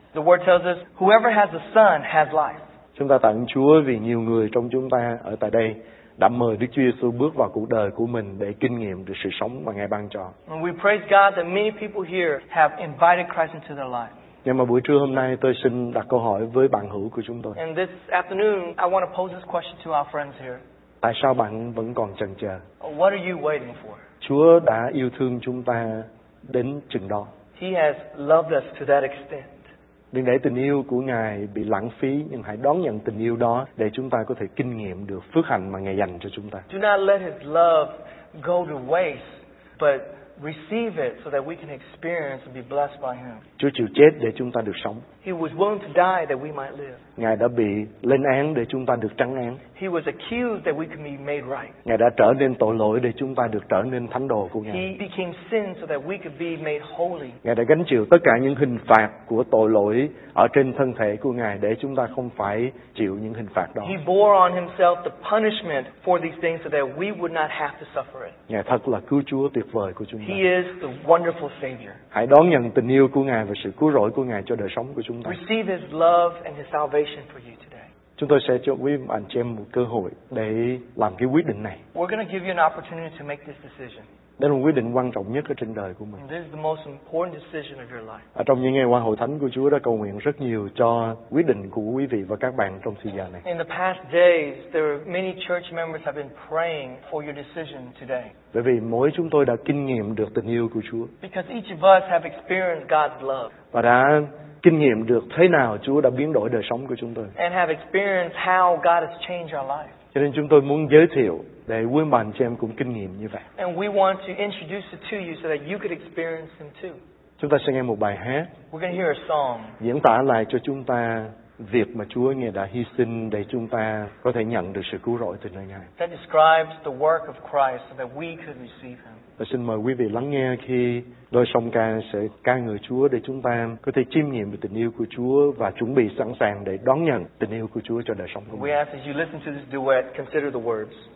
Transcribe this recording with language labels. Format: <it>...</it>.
<en>The word tells us whoever has the Son has life.</en> <vi>Chúng ta tạ ơn Chúa vì nhiều người trong chúng ta ở tại đây đã mời Đức Chúa Giêsu bước vào cuộc đời của mình để kinh nghiệm được sự sống mà Ngài ban cho.</vi> <en>And we praise God that many people here have invited Christ into their life.</en> <vi>Nhưng mà buổi trưa hôm nay tôi xin đặt câu hỏi với bạn hữu của chúng tôi.</vi> <en>And this afternoon I want to pose this question to our friends here.</en> <vi>Tại sao bạn vẫn còn chần chờ?</vi> <en>What are you waiting for?</en> <vi>Chúa đã yêu thương chúng ta đến chừng đó.</vi> <en>He has loved us to that extent.</en> <vi>Đừng để tình yêu của Ngài bị lãng phí, nhưng hãy đón nhận tình yêu đó để chúng ta có thể kinh nghiệm được phước hạnh mà Ngài dành cho chúng ta.</vi> <en>Do not let his love go to waste, but receive it so that we can experience and be blessed by him.</en> <vi>Chúa chịu chết để chúng ta được sống.</vi> <en>He was willing to die that we might live.</en> <vi>Ngài đã bị lên án để chúng ta được trắng án.</vi> <en>He was accused that we can be made right.</en> <vi>Ngài đã trở nên tội lỗi để chúng ta được trở nên thánh đồ của Ngài.</vi> <en>He became sin so that we could be made holy.</en> <vi>Ngài đã gánh chịu tất cả những hình phạt của tội lỗi ở trên thân thể của Ngài để chúng ta không phải chịu những hình phạt đó.</vi> <en>He bore on himself the punishment for these things so that we would not have to suffer it.</en> <vi>Ngài thật là cứu Chúa tuyệt vời của chúng ta.</vi> <en>He is the wonderful Savior.</en> <vi>Hãy đón nhận tình yêu của Ngài và sự cứu rỗi của Ngài cho đời sống của chúng ta.</vi> <en>Receive his love and his salvation for you today.</en> <vi>Chúng tôi sẽ cho quý anh chị em một cơ hội để làm cái quyết định này.</vi> <en>We're going to give you an opportunity to make this decision.</en> <vi>Đây là một quyết định quan trọng nhất ở trên đời của mình.</vi> <en>This is the most important decision of your life.</en> <vi>Ở trong những ngày qua, Hội Thánh của Chúa đã cầu nguyện rất nhiều cho quyết định của quý vị và các bạn trong thời gian này.</vi> <en>In the past days, there are many church members have been praying for your decision today.</en> <vi>Bởi vì mỗi chúng tôi đã kinh nghiệm được tình yêu của Chúa.</vi> <en>Because each of us have experienced God's love.</en> <vi>Và đã kinh nghiệm được thế nào Chúa đã biến đổi đời sống của chúng tôi.</vi> <en>And have experienced how God has changed our life.</en> <vi>Cho nên chúng tôi muốn giới thiệu để quý bạn cho em cũng kinh nghiệm như vậy.</vi> <en>And we want to introduce it to you so that you could experience him too.</en> <vi>Chúng ta sẽ nghe một bài hát.</vi> <en>We're going to hear a song.</en> <vi>Diễn tả lại cho chúng ta việc mà Chúa Ngài đã hy sinh để chúng ta có thể nhận được sự cứu rỗi từ nơi Ngài.</vi> <en>That describes the work of Christ so that we could receive him.</en> <vi>Tôi xin mời quý vị lắng nghe khi đôi song ca sẽ ca ngợi Chúa để chúng ta có thể chiêm nghiệm về tình yêu của Chúa và chuẩn bị sẵn sàng để đón nhận tình yêu của Chúa cho đời sống của mình.</vi> <en>We ask that you listen to this duet, consider the words.</en>